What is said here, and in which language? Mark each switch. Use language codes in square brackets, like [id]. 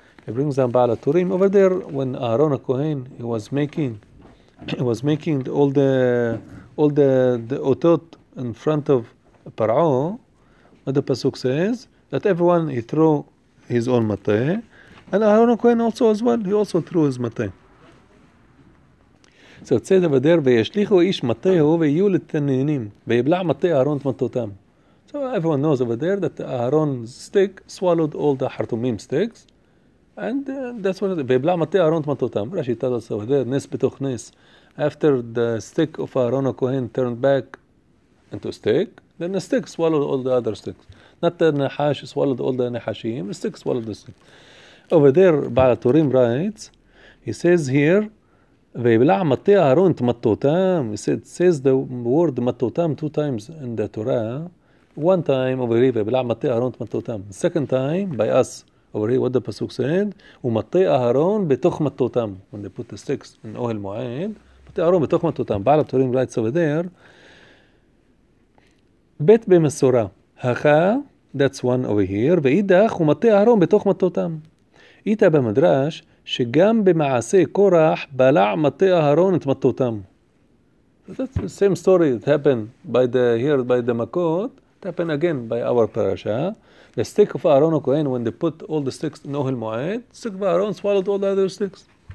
[en] It brings down Baal HaTurim. Over there, when Aharon HaKohen, he was making all the otot in front of Parao, what the Pasuk says, that everyone, he threw his own matay, and Aharon HaKohen also as well, he also threw his matay. [he] So it says over there, וישליחו איש מטהו ויהיו לתנינים, ויבלע מטה אהרון את מטותם. [en] So everyone knows over there that Aaron's stick swallowed all the חרטומים sticks, and that's what it is. [he] ויבלע מטה אהרון את מטותם. רשי תלס over there, נס בתוך נס. [en] After the stick of Aharon HaKohen turned back into a stick, then the stick swallowed all the other sticks. Not the Nahash swallowed all the Nahashim, the stick swallowed the stick. Over there, Baal HaTurim writes, he says here, וְיִבְלַע מַטֵּי אָהָרֹן אֶת מַטּוֹתָם. He said, says the word מַטּוֹתָם two times in the Torah. [he] One time over here, וְיִבְלַע מַטֵּי אָהָרֹן אֶת מַטּוֹתָם. [en] Second time, by us, over here, what the Pasuk said, וּמַטֵּי אָהָרֹן בְּתוֹךְ מַטּוֹתָם. When they put the sticks in Ohel Moed, מַטֵּי אָהָרֹן בְּתוֹךְ מַטּוֹתָם. [he] Baal HaTurim writes over there, בית במסורה, הכה, that's one over here, ואידך ומטה אהרון בתוך מטותם. איתה במדרש, שגם במעשה קורח, בלע מטה אהרון את מטותם. [en] That's the same story that happened by the מכות, it happened again by our parasha. The stick of Aaron HaKohen, when they put all the sticks in Ohel Moed, the stick of Aaron swallowed all the other sticks.